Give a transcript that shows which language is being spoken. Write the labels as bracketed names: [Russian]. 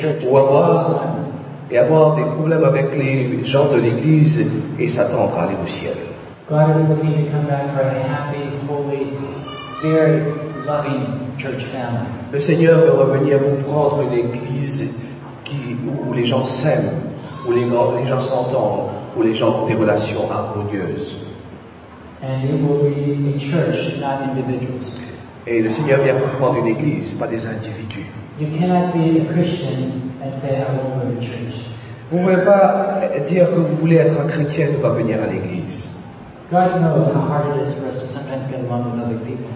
[French] Ou avoir des problèmes avec les gens de l'église et s'attendre à aller au ciel. [English] God is looking to come back for a happy, holy, very loving church family. [French] Le Seigneur veut revenir vous prendre une église qui, où les gens s'aiment, où les gens s'entendent, où les gens ont des relations harmonieuses. [English] And it will be a church, not individuals. [French] Et le Seigneur vient pour prendre une église, pas des individus. [English] You cannot be a Christian and say, I won't go to church. [French] Vous ne pouvez pas dire que vous voulez être un chrétien et ne pas venir à l'église. [English] God knows how hard it is for us to sometimes get along with other people.